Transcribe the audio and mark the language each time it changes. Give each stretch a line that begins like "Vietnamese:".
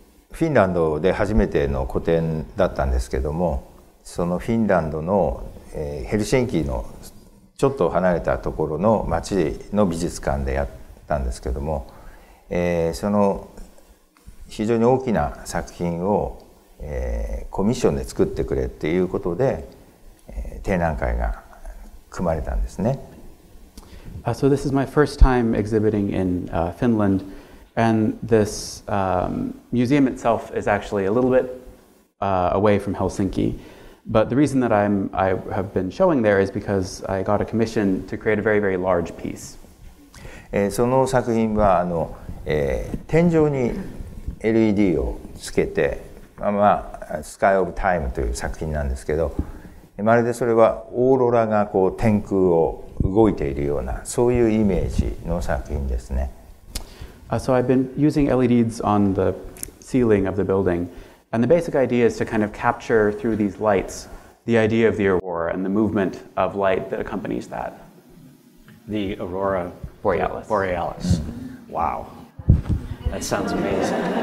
Japanese: フィンランドで初めての個展だったんですけども、そのフィンランドの、ヘルシンキのちょっと離れたところの町の美術館でやったんですけども、その非常に大きな作品を、コミッションで作ってくれっていうことで、展覧会が組まれたんですね。
English: So this is my first time exhibiting in Finland. And this museum itself is actually a little bit away from Helsinki. But the reason that I have been showing there is because I got a commission to create a very, very large piece.
Japanese: その作品は天井に LED をつけて、Sky of Time という作品なんですけど、まるでそれはオーロラがこう天空を動いているような、そういうイメージの作品ですね。
English: So I've been using LEDs on the ceiling of the building, and the basic idea is to kind of capture through these lights the idea of the aurora and the movement of light that accompanies that. The aurora borealis. Borealis. Wow, that sounds amazing.